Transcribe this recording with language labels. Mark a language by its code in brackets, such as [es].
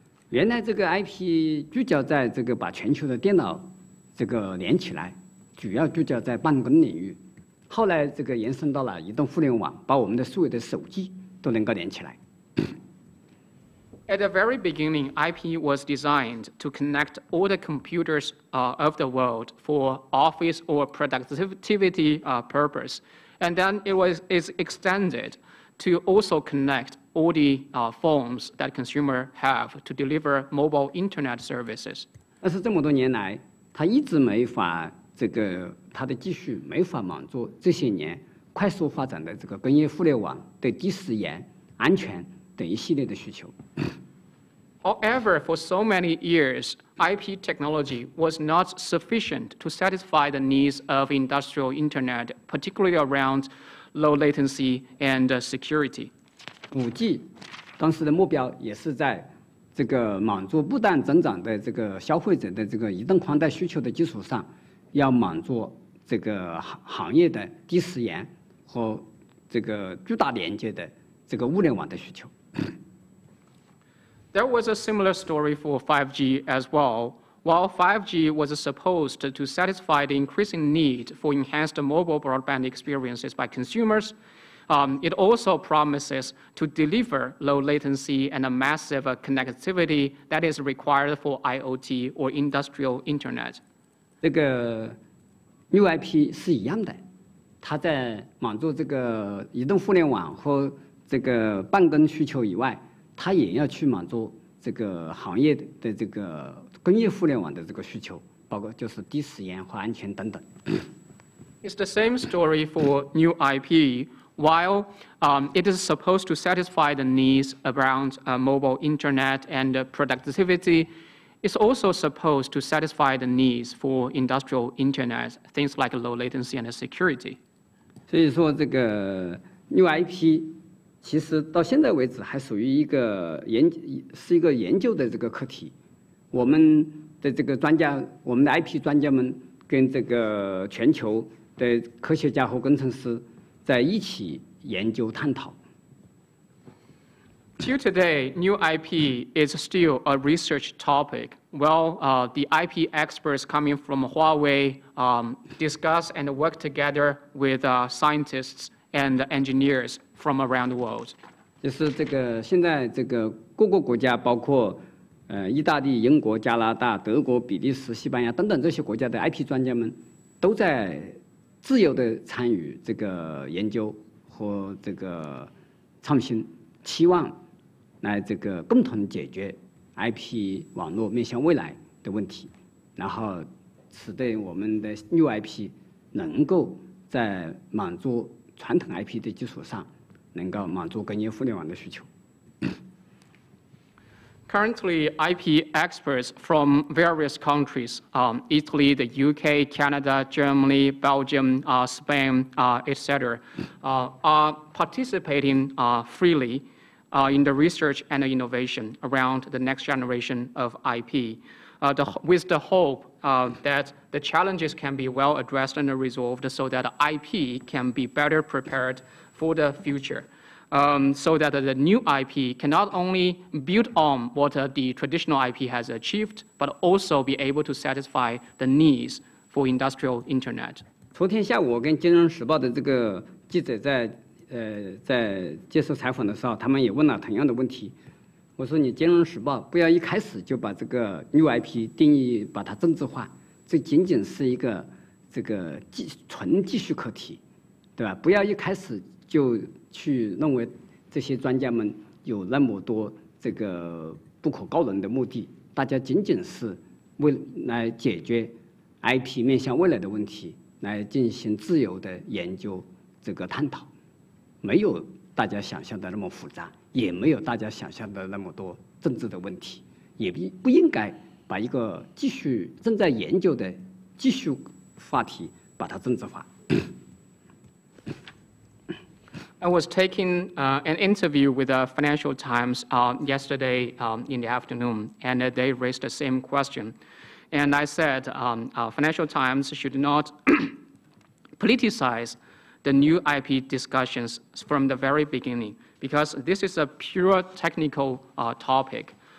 [zh] 原来这个 IP 聚焦在这个把全球的电脑这个连起来。主要聚焦在办公领域，后来这个延伸到了移动互联网，把我们的所有的手机都能够连起来。 [en] At the very beginning, IP was designed to connect all the computers of the world for office or productivity purpose, and then it was is extended to also connect all the phones that consumer have to deliver mobile internet services. [zh] 但是这么多年来，它一直没法。这个它的技术没法满足这些年快速发展的这个工业互联网的低时延、安全等一系列的需求。 [en] However, for so many years, IP technology was not sufficient to satisfy the needs of industrial internet, particularly around low latency and security. [zh] 5G 当时的目标也是在这个满足不断增长的这个消费者的这个移动宽带需求的基础上。要满足这个行业的低时延和这个巨大连接的这个物联网的需求。 [en] There was a similar story for 5G as well. While 5G was supposed to satisfy the increasing need for enhanced mobile broadband experiences by consumers, It also promises to deliver low latency and a massive connectivity that is required for IoT or industrial internet. [zh] 这个 New IP 是一样的，它在满足这个移动互联网和这个办公需求以外，它也要去满足这个行业的这个工业互联网的这个需求，包括就是低时延和安全等等。 [en] It's the same story for New IP. While it is supposed to satisfy the needs around mobile internet and productivity, it's also supposed to satisfy the needs for industrial internet, things like low latency and security. [zh] 所以说这个 New IP 其实到现在为止还属于一个研是一个研究的这个课题。我们的这个专家，我们的 IP 专家们跟这个全球的科学家和工程师在一起研究探讨。 [en] Till today, new IP is still a research topic. Well, the IP experts coming from Huawei discuss and work together with scientists and engineers from around the world. [zh] 就是这个现在这个各个国家，包括意大利、英国、加拿大、德国、比利时、西班牙等等这些国家的 IP 专家们都在。自由地参与这个研究和这个创新，期望来这个共同解决 IP 网络面向未来的问题，然后使得我们的 New IP 能够在满足传统 IP 的基础上，能够满足工业互联网的需求。 [en] Currently, IP experts from various countries, Italy, the UK, Canada, Germany, Belgium, Spain, etc., are participating freely in the research and innovation around the next generation of IP, with the hope that the challenges can be well addressed and resolved so that IP can be better prepared for the future. So that the new IP can not only build on what the traditional IP has achieved, but also be able to satisfy the needs for industrial internet. [zh] 昨天下午我跟《金融时报》的这个记者在在接受采访的时候，他们也问了同样的问题。我说你《金融时报》不要一开始就把这个 new IP 定义把它政治化，这仅仅是一个这个纯技术课题，对吧？不要一开始就去认为这些专家们有那么多这个不可告人的目的，大家仅仅是为来解决 IP 面向未来的问题来进行自由的研究这个探讨，没有大家想象的那么复杂，也没有大家想象的那么多政治的问题，也不应该把一个继续正在研究的继续话题把它政治化。 [en] I was taking an interview with the Financial Times yesterday in the afternoon, and they raised the same question. And I said, Financial Times should not politicize the new IP discussions from the very beginning, because this is a pure technical topic.